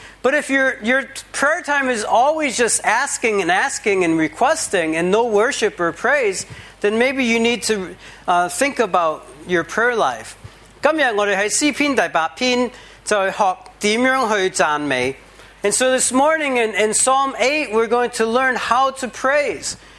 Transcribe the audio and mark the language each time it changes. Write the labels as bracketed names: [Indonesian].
[English] But if your prayer time is always just asking and asking and requesting and no worship or praise, then maybe you need to think about your prayer life. [Chinese] 今天我们在诗篇第八篇就学怎样去赞美。 [English] And so this morning in Psalm 8, we're going to learn how to praise.